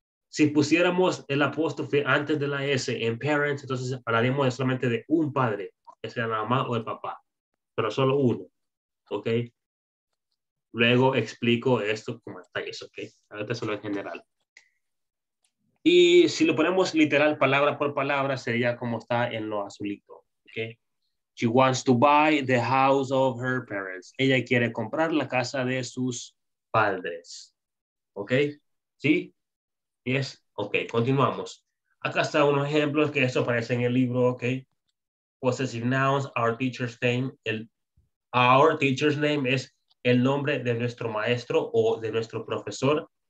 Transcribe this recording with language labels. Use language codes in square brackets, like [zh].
[es] Si pusiéramos el apóstrofe antes de la S en parents, entonces hablaríamos solamente de un padre, que sea la mamá o el papá, pero solo uno, ¿ok? Luego explico esto con más detalles, ¿ok? Ahorita solo en general. Y si lo ponemos literal, palabra por palabra, sería como está en lo azulito, ¿ok? [en] She wants to buy the house of her parents. [es] Ella quiere comprar la casa de sus padres, ¿ok? ¿Sí? Yes. Ok, continuamos. Acá está unos ejemplos que esto aparece en el libro, ok. [en] Possessive nouns, our teacher's name. [es] Our teacher's name es el nombre de nuestro maestro o de nuestro profesor.